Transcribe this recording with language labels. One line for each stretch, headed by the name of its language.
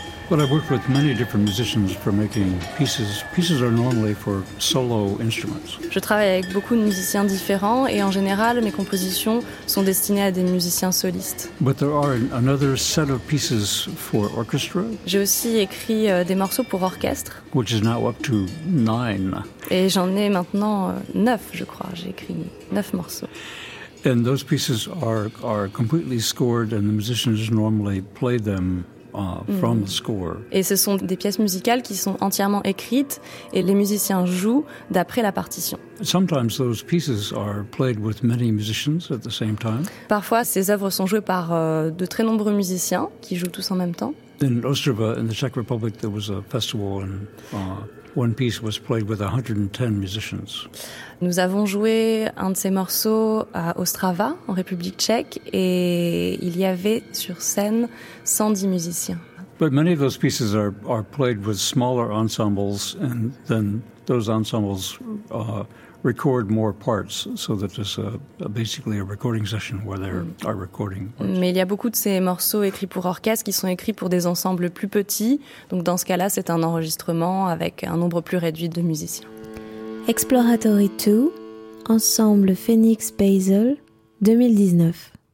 English: But I've worked with many different musicians for making pieces. Pieces are normally for solo instruments.
French: Je travaille avec beaucoup de musiciens différents et en général, mes compositions sont destinées à des musiciens solistes.
English: But there are another set of pieces for orchestra.
French: J'ai aussi écrit des morceaux pour orchestre.
English: Which is now up to 9.
French: Et j'en ai maintenant 9, je crois. J'ai écrit 9 morceaux.
English: And those pieces are completely scored and the musicians normally play them. From the score.
French: Et ce sont des pièces musicales qui sont entièrement écrites et les musiciens jouent d'après la partition.
English: Sometimes those pieces are played with many musicians at the same time.
French: Parfois, ces œuvres sont jouées par de très nombreux musiciens qui jouent tous en même temps.
English: In Ostrava, in the Czech Republic, there was a festival and one piece was played with 110 musicians.
French: Nous avons joué un de ces morceaux à Ostrava, en République tchèque, et il y avait sur scène 110 musiciens.
English: But many of those pieces are played with smaller ensembles, and then those ensembles record more parts, so that it's basically a recording session where there are recording parts.
French: Mais il y a beaucoup de ces morceaux écrits pour orchestre qui sont écrits pour des ensembles plus petits. Donc dans ce cas-là, c'est un enregistrement avec un nombre plus réduit de musiciens.
English: Exploratory 2, ensemble Phoenix Basel, 2019.